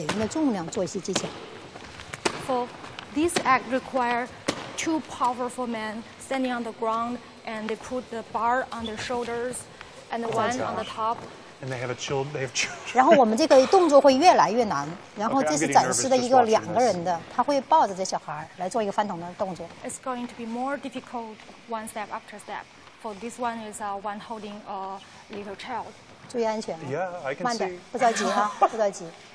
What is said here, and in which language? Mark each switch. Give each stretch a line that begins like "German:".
Chinese: 然后它是通过两个特别有力量的那个我们叫底座，就是这下边肩上有一个斗杠一样的杆子，啊，经利用这个杠子的弹力和那个演员的重量做一些技巧。
English: For this act require two powerful men standing on the ground. And they put the bar on their shoulders, and the one on the top. And they have a child. They have children.
Chinese: 然后我们这个动作会越来越难。然后这是展示的一个两个人的，他会抱着这小孩来做一个翻腾的动作。
English: It's going to be more difficult one step after step. For this one is one holding a little child.
Chinese: 注意安全。
English: Yeah, I can see.
Chinese: 慢点，不着急啊，不着急。